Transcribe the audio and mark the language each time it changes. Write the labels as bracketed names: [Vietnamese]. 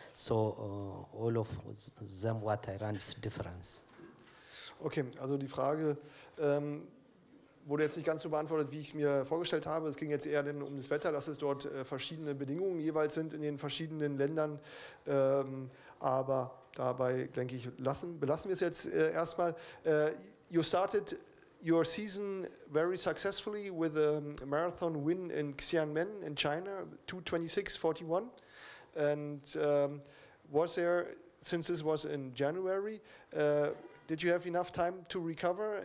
[English] So all of them what I run is different. [German] Okay, also die Frage wurde jetzt nicht ganz so beantwortet, wie ich mir vorgestellt habe. Es ging jetzt eher denn um das Wetter, dass es dort verschiedene Bedingungen jeweils sind in den verschiedenen Ländern. Aber dabei, denke ich, belassen wir es jetzt erstmal. [English] You started your season very successfully with a marathon win in Xiamen in China, 2:26:41. And was there, since this was in January, did you have enough time to recover?